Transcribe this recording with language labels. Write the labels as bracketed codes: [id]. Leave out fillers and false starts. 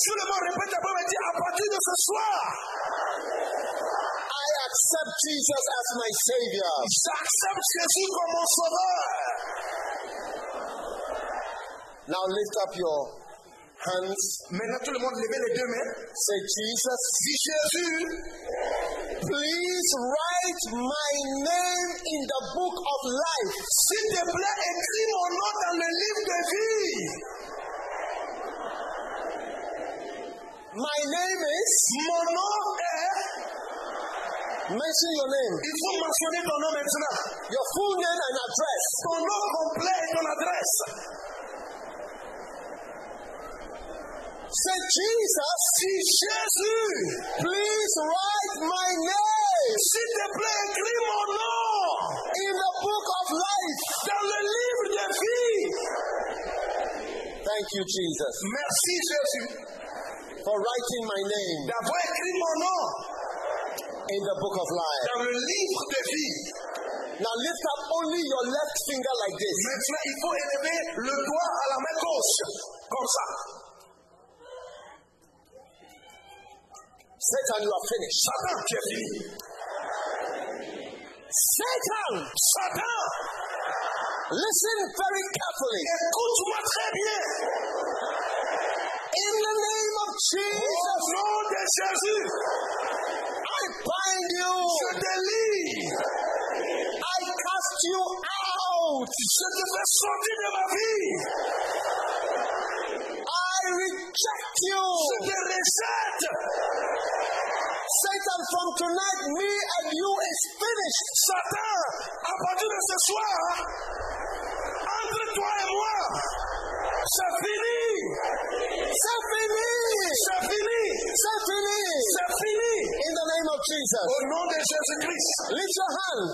[fr] Tout le monde répète après moi, à partir de ce soir. [en] I accept Jesus as my Savior. [fr] J'accepte Jésus comme mon sauveur. [en] Now lift up your hands. [fr] Maintenant tout le monde lève les deux mains. [en] Say Jesus. [fr] Dis Jésus. [en] Please write my name in the book of life. [fr] S'il te plaît, écris mon nom dans le livre de vie. [en] My name is. [fr] Mon nom est. [en] Mention your name. [fr] Il faut mentionner ton nom maintenant. [en] Your full name and address. [fr] Ton nom complet et ton adresse. [en] Say Jesus. [fr] Dis Jésus. [en] Please write my name. [fr] S'il te plaît, écris mon nom. [en] In the book of life. [fr] Dans le livre de vie. [en] Thank you, Jesus. [fr] Merci, Jésus. [en] For writing my name. [fr] D'avoir écrit mon nom. [en] In the book of life. [fr] Dans le livre de vie. [en] Now lift up only your left finger like this. [fr] Maintenant, il faut élever le doigt à la main gauche. Comme ça. [en] Satan, you are finished. [fr] Satan, tu es fini. [en] Satan! [fr] Satan! [en] Listen very carefully. [fr] Écoute-moi très bien. [en] In the name of Jesus. [fr] Au nom de Jésus. [en] I bind you. [fr] Je délivre. [en] I cast you out. [fr] Je te fais sortir de ma vie. [en] I reject you. [fr] Je te rejette. [en] Satan, from tonight, me and you is finished. [fr] Satan, à partir de ce soir, entre toi et moi, c'est fini. C'est fini. C'est fini. [en] In the name of Jesus. [fr] Au nom de Jésus Christ. [en] Lift your hand.